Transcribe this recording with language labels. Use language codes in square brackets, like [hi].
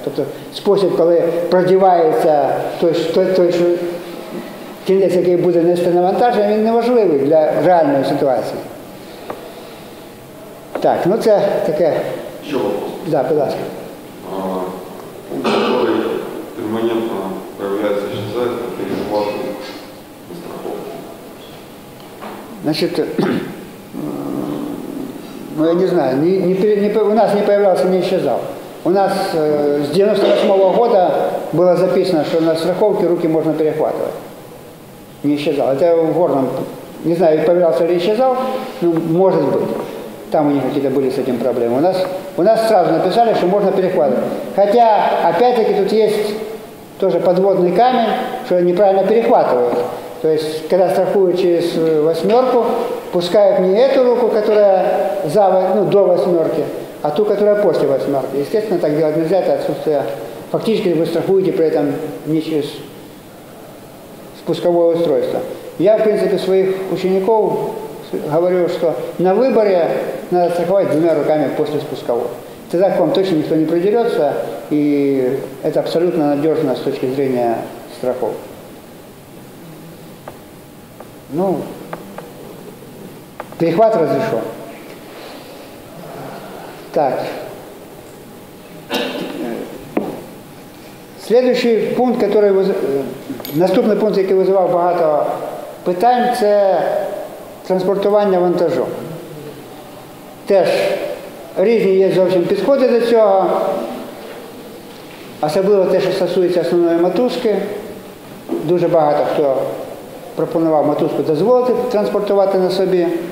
[uk] Тобто спосіб, коли продівається той що кінець, який буде нести навантаження, він неважливий для реальної ситуації. Так, ну це таке. Що вопрос? Так, будь ласка. Пункт, який перманентно проявляється, що це переплати на страховку. [ru] Значить, ну я не знаю, у нас не появлялся, не исчезав. [uk] У нас з 98-го года було записано, що на страховки руки можна перехватувати. Не исчезав. Це [ru] в горном, не знаю, появлялся или исчезав, ну, [uk] може бути. [ru] Там у них какие-то были с этим проблемы. У нас сразу написали, что можно перехватывать. Хотя, опять-таки, тут есть тоже подводный камень, что неправильно перехватывают. То есть, когда страхуют через восьмерку, пускают не эту руку, которая за, ну, до восьмерки, а ту, которая после восьмерки. Естественно, так делать нельзя, это отсутствие. Фактически вы страхуете при этом не через спусковое устройство. Я, в принципе, своих учеников говорю, что на выборе надо страховать двумя руками после спускового. Тогда к вам точно никто не придерется, и это абсолютно надежно с точки зрения страхов. Ну, перехват разрешен. Так. Следующий пункт, который... Наступный пункт, который вызывал много питань, это... [uk] транспортування вантажу. Теж різні є зовсім підходи до цього, особливо те, що стосується основної матузки. Дуже багато хто пропонував матузку дозволити транспортувати на собі.